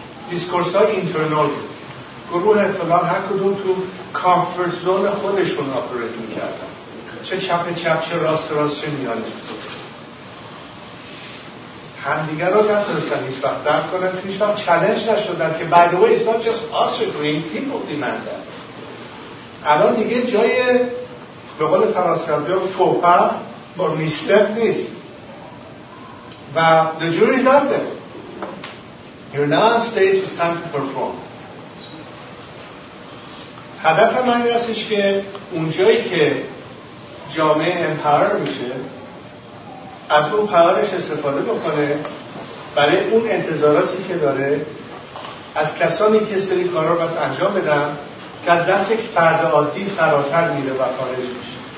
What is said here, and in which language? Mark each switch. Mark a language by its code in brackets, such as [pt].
[fa] دیسکورس های اینترنال گروه فلان هر کدوم تو کامفورت زون خودشون آپریت میکردن، چه چپ چپ چه راست راست چه میانه، همدیگر رو نتونستن هیچ وقت درد کنن چون هیچ وقت چلنج نشدن که [en] by the way it's not just us agreeing, people demanded. [fa] الان دیگه جای به قول فرانسوی ها فوپا با میستر نیست و [en] the jury's out there. You're now on stage, it's time to perform. [fa] هدف من این هستش که اونجایی که جامعه امپاور میشه از اون پاورش استفاده بکنه برای اون انتظاراتی که داره از کسانی که سری کارا رو بس انجام بدن که از دست یک فرد عادی فراتر میره و خارج میشه.